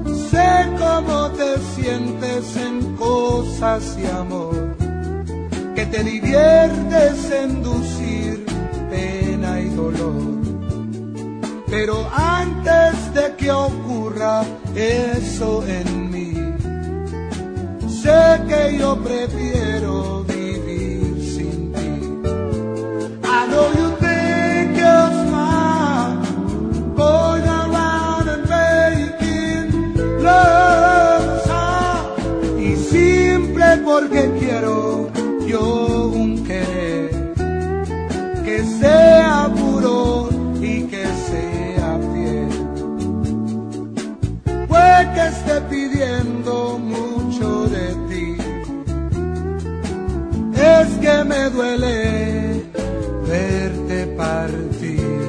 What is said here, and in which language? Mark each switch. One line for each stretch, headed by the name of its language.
Spanish: Sé cómo te sientes en cosas y amor, que te diviertes inducir pena y dolor. Pero antes de que ocurra eso en mí, sé que yo prefiero vivir sin ti.
English: I know you think you're smart, going around and making love hard.
Spanish: Y simple porque quiero yo un querer que sea puro y que sea fiel. Puede que esté pidiendo mucho de ti, es que me duele verte partir.